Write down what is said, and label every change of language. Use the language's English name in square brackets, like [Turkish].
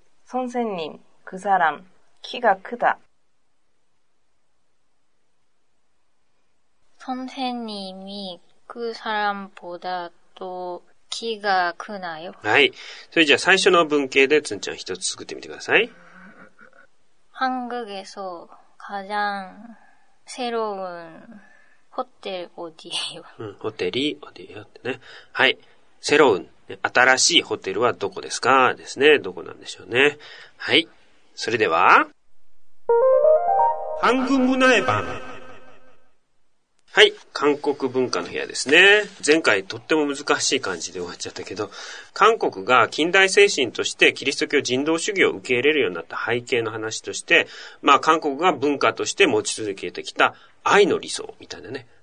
[Korean] 선생님、그사람、키가크다。 선생님이그사람보다또키가크나요 [Japanese] はい。それじゃあ最初の文型でつんちゃん一つ作ってみてください。 [Korean] 한국에서가장새로운호텔어디예요 호텔이어디예요ってね。 [Japanese] はい。새로운。新しいホテルはどこですかですね。どこなんでしょうね。はい。それでは。 [Korean] 한국문화의밤 [Japanese] はい。韓国文化の部屋ですね。前回とっても難しい感じで終わっちゃったけど、韓国が近代精神としてキリスト教人道主義を受け入れるようになった背景の話として、まあ韓国が文化として持ち続けてきた愛の理想みたいなね、